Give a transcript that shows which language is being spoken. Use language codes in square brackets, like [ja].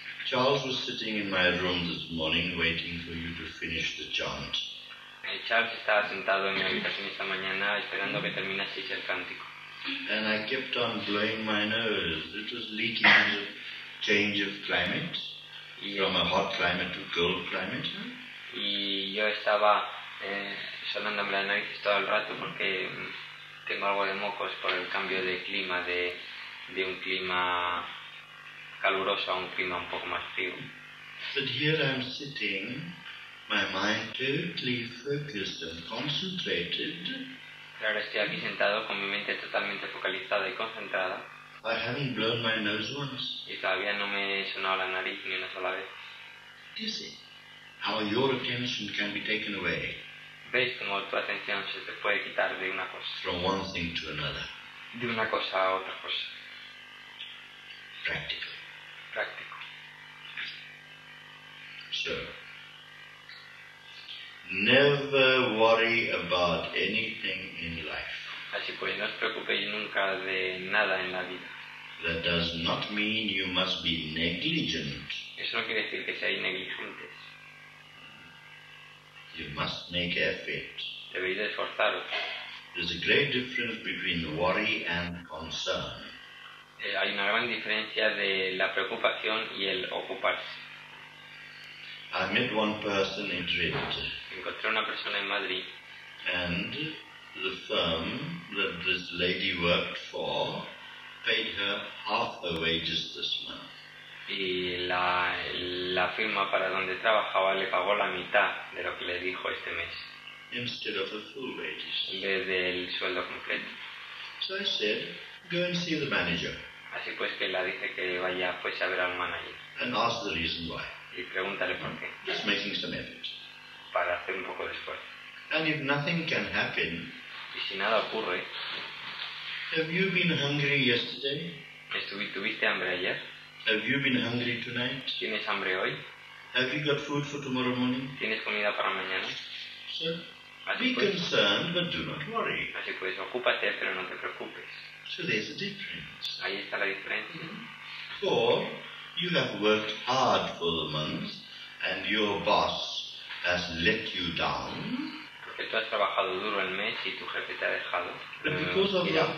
[en] Charles was sitting in my room this morning waiting for you to finish the chant. [es] Charles estaba sentado en mi habitación esta mañana esperando que terminaseis el cántico. [en] And I kept on blowing my nose. It was leaking the change of climate. From a hot climate to cold climate. [es] Y yo estaba sonándome la nariz todo el rato porque tengo algo de mocos por el cambio de clima de un clima caluroso a un clima un poco más frío. [en] But here I'm sitting, my mind totally focused and concentrated. [es] Pero ahora estoy aquí sentado con mi mente totalmente focalizada y concentrada. [en] I haven't blown my nose once. [es] Y todavía no me he sonado la nariz ni una sola vez. [en] You see how your attention can be taken away. [es] ¿Ves cómo tu atención se te puede quitar de una cosa? [en] From one thing to another. [es] De una cosa a otra cosa. [en] Practical. So, never worry about anything in life. [es] Así pues, no os preocupéis nunca de nada en la vida. [en] That does not mean you must be negligent. [es] Eso no quiere decir que seáis negligentes. [en] You must make effort. [es] Debéis esforzaros. [en] There's a great difference between worry and concern. [es] Hay una gran diferencia de la preocupación y el ocuparse. [en] I met one person in Madrid. [es] Encontré una persona en Madrid. [en] And the firm that this lady worked for paid her half her wages this month. [es] Y la firma para donde trabajaba le pagó la mitad de lo que le dijo este mes. [en] Instead of the full wages. [es] En vez del sueldo completo. [en] So I said, go and see the manager. [es] Así pues que la dije que vaya pues a ver al manager. [en] And ask the reason why. [es] Y pregúntale por qué. [en] Just making some effort. [es] Para hacer un poco de esfuerzo. [en] And if nothing can happen. [es] Y si nada ocurre. [en] Have you been hungry yesterday? [es] ¿Tuviste hambre ayer? [en] Have you been hungry tonight? [es] ¿Tienes hambre hoy? [en] Have you got food for tomorrow morning? [es] ¿Tienes comida para mañana? [en] Concerned, but do not worry. [es] Así pues, ocúpate, pero no te preocupes. [en] So there's a difference. [es] Ahí está la diferencia. [en] For you have worked hard for the month, and your boss has let you down. [es] Que tú has trabajado duro el mes y tu jefe te ha dejado.